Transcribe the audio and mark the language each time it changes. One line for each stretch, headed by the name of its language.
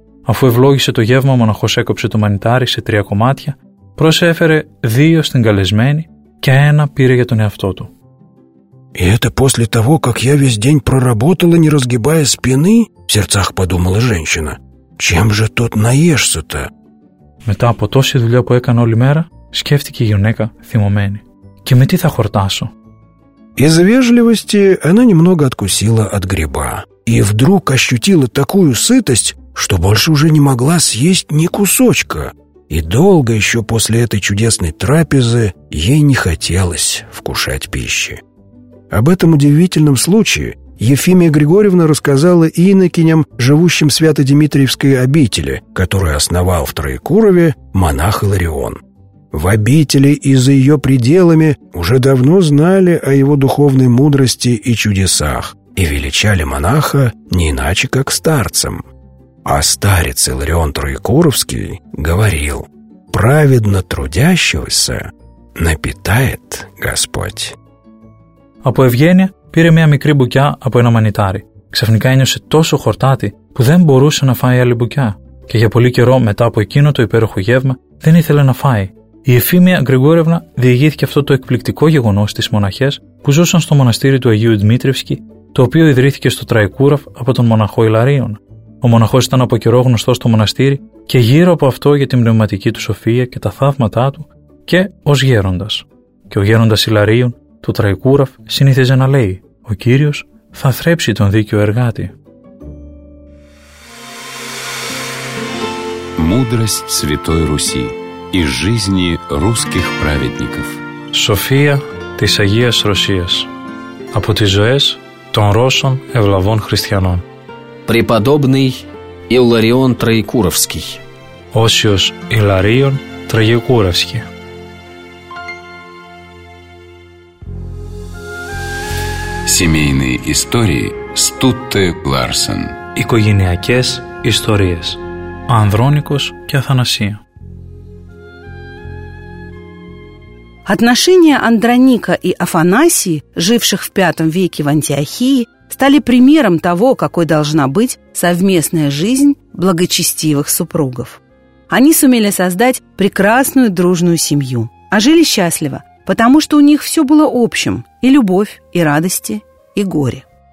Greek: Αφού ευλόγησε το γεύμα, ο μοναχός έκοψε το μανιτάρι σε τρία κομμάτια, προσέφερε δύο στην καλεσμένη και ένα πήρε για τον εαυτό του.
Russian: «И это после того, как я весь день проработала, не разгибая спины?» в сердцах подумала женщина. «Чем же тот наешься-то?»
Greek: Μετά από τόση δουλειά που έκανε όλη μέρα, σκέφτηκε η γυναίκα θυμωμένη. «Και με τι θα χορτάσω?»
Russian: Из вежливости она немного откусила от гриба и вдруг ощутила такую сытость, что больше уже не могла съесть ни кусочка. И долго еще после этой чудесной трапезы ей не хотелось вкушать пищи. Об этом удивительном случае Ефимия Григорьевна рассказала инокиням, живущим в Свято-Димитриевской обители, которую основал в Троекурове монах Иларион. В обители и за ее пределами уже давно знали о его духовной мудрости и чудесах и величали монаха не иначе, как старцем. А старец Иларион Троекуровский говорил: «Праведно трудящегося напитает Господь».
Greek: Από ευγένεια πήρε μια μικρή μπουκιά από ένα μανιτάρι. Ξαφνικά ένιωσε τόσο χορτάτη που δεν μπορούσε να φάει άλλη μπουκιά. Και για πολύ καιρό μετά από εκείνο το υπέροχο γεύμα δεν ήθελε να φάει. Η Εφήμια Γρηγόρευνα διηγήθηκε αυτό το εκπληκτικό γεγονός στις μοναχές που ζούσαν στο μοναστήρι του Αγίου Δημήτρευσκη, το οποίο ιδρύθηκε στο Τραϊκούραφ από τον μοναχό Ιλαρίων. Ο μοναχός ήταν από καιρό γνωστός στο μοναστήρι και γύρω από αυτό για την πνευματική του σοφία και τα θαύματά του και ως γέροντας. Και ο γέροντας Ιλαρίων το Τραϊκούραφ συνήθιζε να λέει: «Ο Κύριος θα θρέψει τον δίκαιο εργάτη».
Russian: Мудрость Святой Руси и жизни русских праведников.
Greek: Σοφία της Αγίας Ρωσίας από τις ζωές των Ρώσων ευλαβών χριστιανών.
Russian: Преподобный Иларион Троекуровский.
Greek: Όσιος Ιλαρίων Τραγικούραυσκη.
Russian: Семейные истории Стутте Ларсен.
Greek: Οικογενειακές ιστορίες. Андроникос και Αθανασία.
Russian: Отношения Андроника и Афанасии, живших в V веке в Антиохии, стали примером того, какой должна быть совместная жизнь благочестивых супругов. Они сумели создать прекрасную дружную семью, а жили счастливо, потому что у них все было общим – и любовь, и радости, и горе.